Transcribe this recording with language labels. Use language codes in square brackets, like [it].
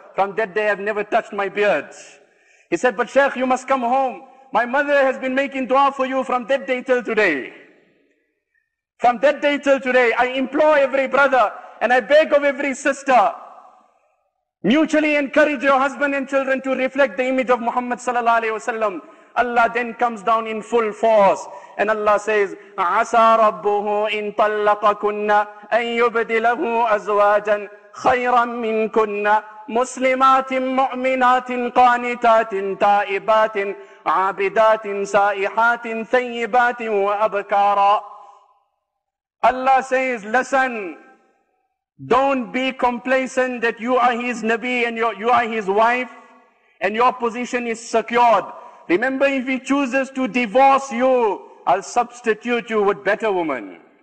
[en] From that day, I've never touched my beard. He said, but Shaykh, you must come home. My mother has been making dua for you from that day till today. From that day till today, I implore every brother and I beg of every sister, mutually encourage your husband and children to reflect the image of Muhammad sallallahu alayhi wa sallam. Allah then comes down in full force and Allah says, [ar] عَسَى رَبُّهُ إِن طَلَّقَكُنَّ أَن يُبْدِلَهُ أَزْوَاجًا خَيْرًا مِنْكُنَّ مُسْلِمَاتٍ مُؤْمِنَاتٍ قَانِتَاتٍ تَائِبَاتٍ عَابِدَاتٍ سَائِحَاتٍ ثَيِّبَاتٍ وَأَبْكَارًا. [en] Allah says, listen, don't be complacent that you are his Nabi and you are his wife and your position is secured. Remember, if he chooses to divorce you, I'll substitute you with better woman.